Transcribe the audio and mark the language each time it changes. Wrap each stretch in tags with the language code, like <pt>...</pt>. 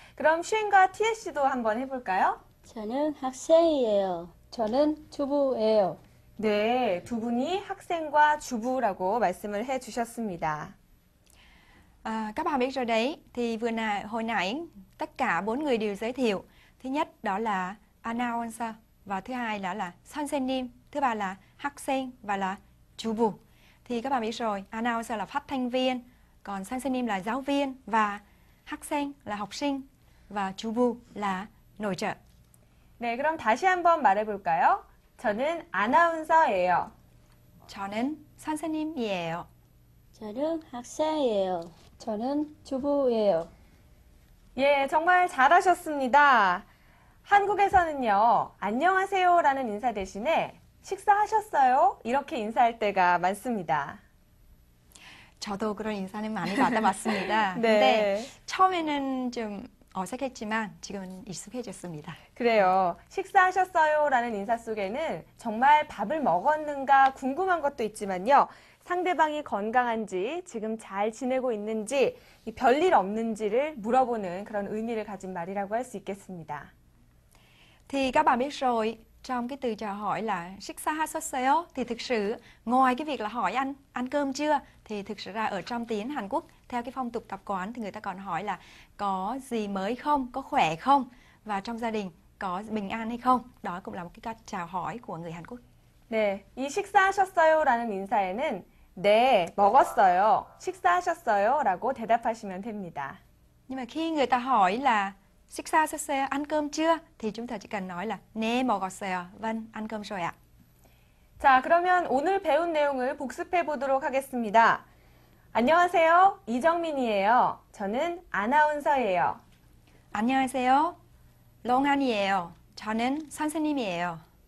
<ko>그럼 쉔과 티에 씨도 한번 해볼까요? 저는 학생이에요. 저는 주부예요. 네, 두 분이 학생과 주부라고 말씀을 해 주셨습니다.</ko> <vi>Các bạn biết rồi đấy, thì vừa nãy hồi nãy tất cả bốn người đều giới thiệu. Thứ nhất đó là announcer và thứ hai đó là 선생님, thứ ba là 학생 và là 주부. Thì các bạn biết rồi, announcer là phát thanh viên, còn 선생님 là giáo viên và 학생 là học sinh và 주부 là nội trợ.</vi> <ko>네, 그럼 다시 한번 말해 볼까요? 저는 아나운서예요. 저는 선생님이에요. 저는 학생이에요. 저는 주부예요. 예, 정말 잘하셨습니다. 한국에서는요, 안녕하세요라는 인사 대신에 식사하셨어요? 이렇게 인사할 때가 많습니다. 저도 그런 인사는 많이 받아봤습니다. 네. 근데 처음에는 좀 어색했지만 지금은 익숙해졌습니다. 그래요. 식사하셨어요라는 인사 속에는 정말 밥을 먹었는가 궁금한 것도 있지만요. 상대방이 건강한지, 지금 잘 지내고 있는지, 별일 없는지를 물어보는 그런 의미를 가진 말이라고 할 수 있겠습니다.</ko> <vi>Thì các bạn biết rồi, trong cái từ chào hỏi là xích xa hát xuất xeo thì thực sự ngoài cái việc là hỏi ăn ăn cơm chưa thì thực sự ra ở trong tiếng Hàn Quốc theo cái phong tục tập quán thì người ta còn hỏi là có gì mới không, có khỏe không và trong gia đình có bình an hay không. Đó cũng là một cái cách chào hỏi của người Hàn Quốc.</vi> <ko>네, 이 식사하셨어요라는 인사에는 네, 먹었어요. 식사하셨어요라고 대답하시면 됩니다.</ko> <vi>Nhưng mà khi người ta hỏi là 식사하셨어요? ăn cơm chưa? thì chúng ta chỉ cần nói là</vi> <ko>네, 먹었어요.</ko> <vi>Vâng, ăn cơm rồi ạ.</vi> <ko>자, 그러면 오늘 배운 내용을 복습해 보도록 하겠습니다. 안녕하세요. 이정민이에요. 저는 아나운서예요. 안녕하세요. 롱한이에요. 저는 선생님이에요.</ko>